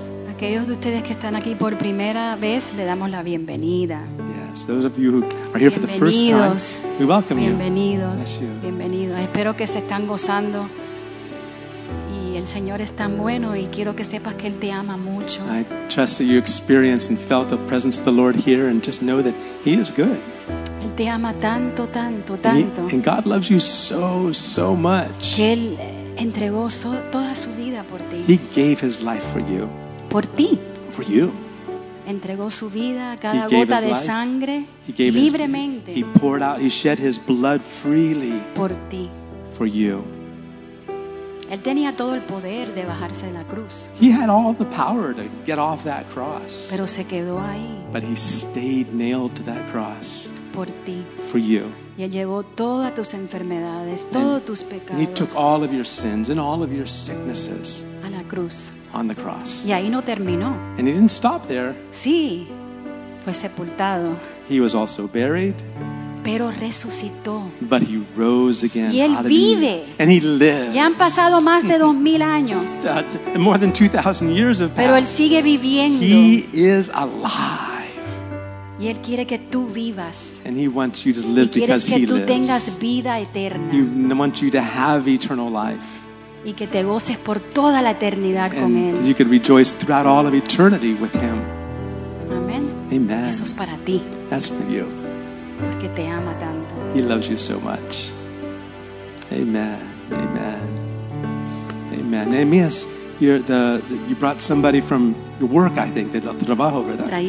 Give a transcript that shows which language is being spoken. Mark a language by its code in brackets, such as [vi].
[es] Aquellos de ustedes que están aquí por primera vez, le damos la bienvenida. [en] Yes, those of you who are here for the first time, we welcome [es] bienvenidos. [en] You. [es] Bienvenidos, bienvenidos. Espero que se están gozando. El Señor es tan bueno y quiero que sepas que Él te ama mucho. [en] I trust that you experienced and felt the presence of the Lord here and just know that He is good. [es] Él te ama tanto, tanto, tanto. [en] And God loves you so, so much. [es] Que Él entregó toda su vida por ti. [en] He gave His life for you. [es] Por ti. [en] For you. [es] Entregó su vida, cada gota de sangre, libremente. [en] He poured out, He shed His blood freely. [es] Por ti. [en] For you. [es] Él tenía todo el poder de bajarse de la cruz. [en] He had all the power to get off that cross. [es] Pero se quedó ahí. [en] But he stayed nailed to that cross. [es] Por ti. [en] For you. [es] Y él llevó todas tus enfermedades, todos tus pecados. [en] And he took all of your sins and all of your sicknesses. [es] A la cruz. [en] On the cross. [es] Y ahí no terminó. [en] And he didn't stop there. [es] Sí, fue sepultado. [en] He was also buried. [es] Pero resucitó. [en] But he rose again. [es] Y él vive. [en] And he lives. [es] Ya han pasado más de 2,000 años. [en] More than 2,000 years have [es] passed. Pero él sigue viviendo. [en] He is alive. [es] Y él quiere que tú vivas. [en] And he wants you to live because he lives. [es] Y quieres que tú tengas vida eterna. [en] He wants you to have eternal life. [es] Y que te goces por toda la eternidad con él. [en] And you can rejoice throughout all of eternity with him. Amen. Amen. [es] Eso es para ti. [en] That's for you. [es] Porque te ama tanto. [en] He loves you so much. Amen. Amen. Amen. Nehemias, you brought somebody from your work, I think, [es] de trabajo, ¿verdad?